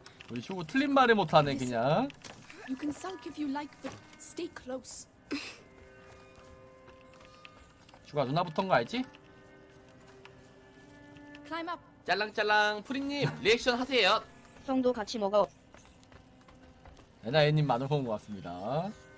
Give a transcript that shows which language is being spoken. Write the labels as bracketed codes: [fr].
[ko] 우리 슈고 틀린 말을 못하네, 그냥. [en] You can sulk if you like, but stay close. [ko] 슈가 누나부터인 거 알지? [en] Climb up. [ko] 짤랑짤랑 프리님 리액션 하세요. 형도 같이 먹어. 애나 애님 많은 거인 것 같습니다.